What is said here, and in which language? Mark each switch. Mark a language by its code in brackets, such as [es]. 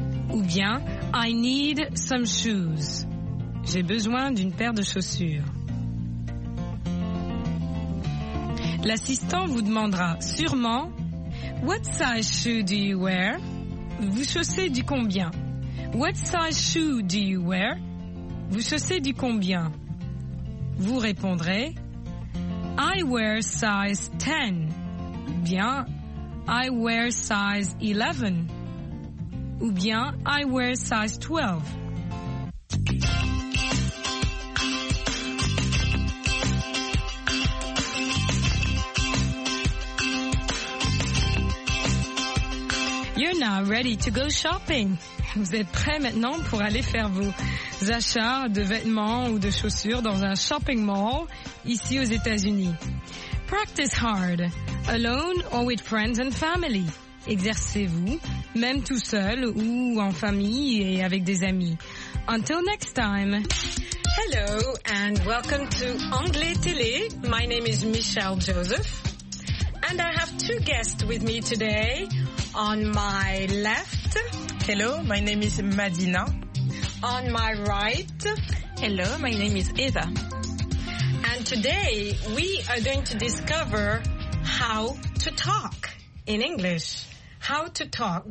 [fr] Ou bien [en] I need some shoes. [fr] J'ai besoin d'une paire de chaussures. L'assistant vous demandera sûrement [en] What size shoe do you wear? [fr] Vous chaussez du combien? [en] What size shoe do you wear? [fr] Vous chaussez du combien? Vous répondrez [en] I wear size 10. [fr] Bien, [en] I wear size 11. [fr] Ou bien, [en] I wear size 12. You're now ready to go shopping. [fr] Vous êtes prêt maintenant pour aller faire vos achats de vêtements ou de chaussures dans un shopping mall ici aux États-Unis. [en] Practice hard, alone or with friends and family. [fr] Exercez-vous, même tout seul ou en famille et avec des amis. [en] Until next time. Hello and welcome to Anglais Télé. My name is Michelle Joseph. And I have two guests with me today. On my left. Hello, my name is Madina. On my right. Hello, my name is Eva. And today we are going to discover how to talk in English. How to talk.